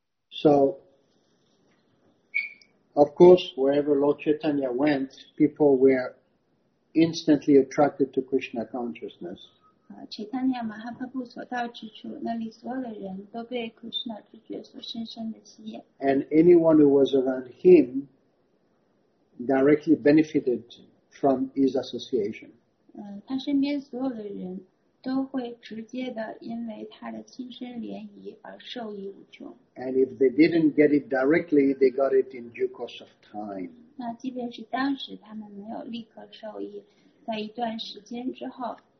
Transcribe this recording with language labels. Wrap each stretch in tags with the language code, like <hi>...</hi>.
<en>So, of course, wherever Lord Chaitanya went, people were instantly attracted to Krishna consciousness.</en> <zh>Chaitanya Mahaprabhu 所到之处，那里所有的人都被 Krishna 之觉所深深的吸引。</zh> <en>And anyone who was around him directly benefited from his association.</en> <zh>他身边所有的人都会直接的因为他的亲身联谊而受益无穷。</zh> <en>And if they didn't get it directly, they got it in due course of time.</en> <zh>那即便是当时他们没有立刻受益，在一段时间之后。</zh>